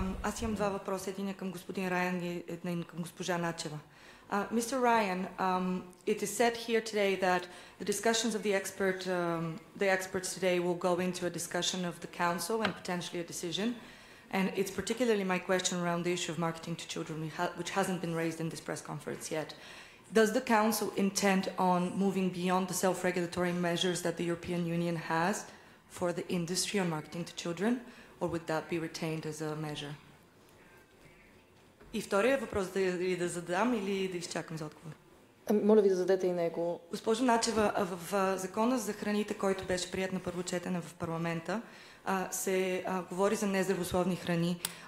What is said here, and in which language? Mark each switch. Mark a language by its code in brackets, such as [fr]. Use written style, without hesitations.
[bg] Аз имам два въпроса, един е към господин Райан и един към госпожа Начева. [en] Mr. Ryan, it is said here today that the discussions of the experts today will go into a discussion of the council and potentially a decision. And it's particularly my question around the issue of marketing to children, which hasn't been raised in this press conference yet. Does the council intend on moving beyond the self-regulatory measures that the European Union has for the industry on marketing to children, or would that be retained as a measure? [bg] И втория въпрос дали да задам или да изчакам за отговор? Моля ви да зададете и него. Госпожо Начева, в закона за храните, който беше приет на първо четене в парламента, се говори за нездравословни храни.